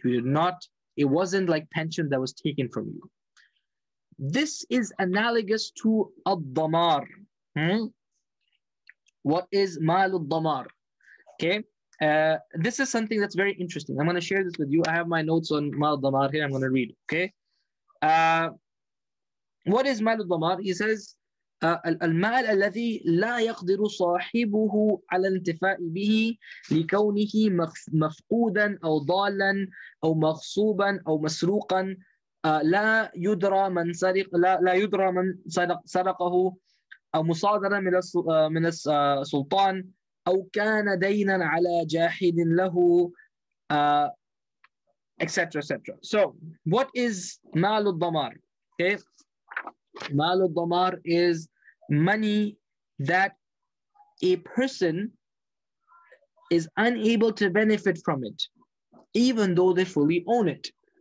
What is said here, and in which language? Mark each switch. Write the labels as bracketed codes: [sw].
[en] You did not, it wasn't like pension that was taken from you. This is analogous to al-damar. What is mal al-damar? Okay, this is something that's very interesting. I'm going to share this with you. I have my notes on mal al-damar here. I'm going to read. Okay, what is mal al-damar? He says, [ar] المال الذي لا يقدر صاحبه على الانتفاع به لكونه مفقودا أو ضالا أو مغصوبا أو مسروقا لا يدرى من سرق لا يدرى من سرقه أو مصادرا من السلطان أو كان دينا على جاحد له [en] etc etc. So what is مال الضمار? Okay, مال الضمار is money that a person is unable to benefit from it, even though they fully own it.